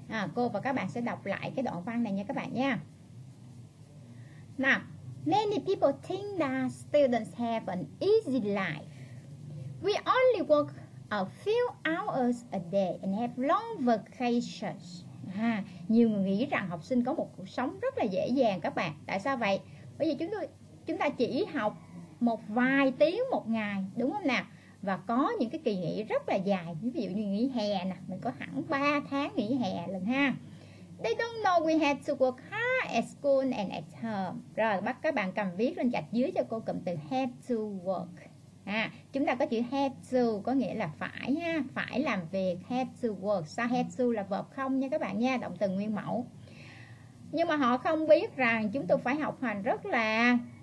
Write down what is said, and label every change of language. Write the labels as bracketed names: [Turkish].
[Vietnamese] À, cô và các bạn sẽ đọc lại cái đoạn văn này nha các bạn nha. [English] Now, many people think that students have an easy life. We only work a few hours a day and have long vacations. [Vietnamese] À, nhiều người nghĩ rằng học sinh có một cuộc sống rất là dễ dàng các bạn. Tại sao vậy? Bởi vì chúng ta chỉ học một vài tiếng một ngày, đúng không nào? Và có những cái kỳ nghỉ rất là dài. Ví dụ như nghỉ hè nè, mình có hẳn 3 tháng nghỉ hè lần ha. [English] They don't know we have to work hard at school and at home. [Vietnamese] Rồi bắt các bạn cầm viết lên gạch dưới cho cô cụm từ have to work. À, chúng ta có chữ have to có nghĩa là phải ha, phải làm việc, have to work. Sao have to là verb không nha các bạn nha, động từ nguyên mẫu. Nhưng mà họ không biết rằng chúng tôi phải học hành rất là